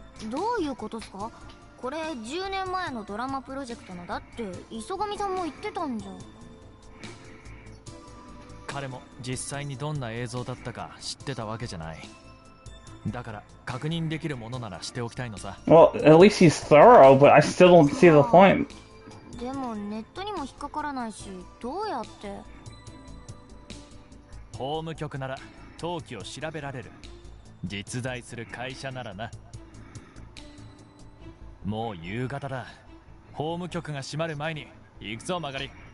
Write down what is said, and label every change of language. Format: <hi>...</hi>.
<ja>どういうことですか？これ10年前のドラマプロジェクトのだって磯上さんも言ってたんじゃ。彼も実際にどんな映像だったか知ってたわけじゃない。だから確認できるものならしておきたいのさ。</ja> <en>Well, at least he's thorough, but I still don't see the point.</en> <ja>でもネットにも引っかからないし、どうやって？法務局なら登記を調べられる。実在する会社ならな。もう夕方だ。法務局が閉まる前に行くぞ、曲がり。</ja>